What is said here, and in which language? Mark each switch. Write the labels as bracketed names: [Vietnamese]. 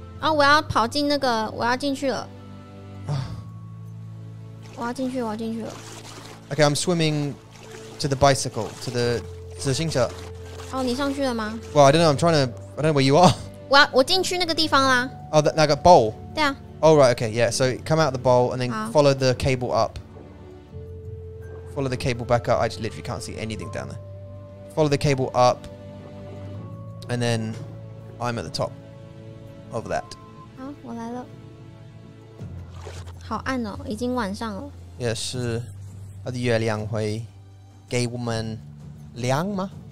[Chinese] 啊，我要跑进那个，我要进去了。我要进去，我要进去了。 [English] Okay, I'm swimming to the bicycle, to the 自行车。 [Chinese] 哦，你上去了吗 [English] ？Well, I don't know. I'm trying to. I don't know where you are. [Chinese] 我进去那个地方啦。 [English] Oh, that like a bowl. [Chinese] 对啊。 [English] Oh right, okay, yeah. So come out of the bowl and then follow the cable up. Follow the cable back up. I just literally can't see anything down there. Follow the cable up, and then I'm at the top of that. [Chinese] 好，我来了。好暗哦，已经晚上了。也是，它的月亮会给我们亮吗？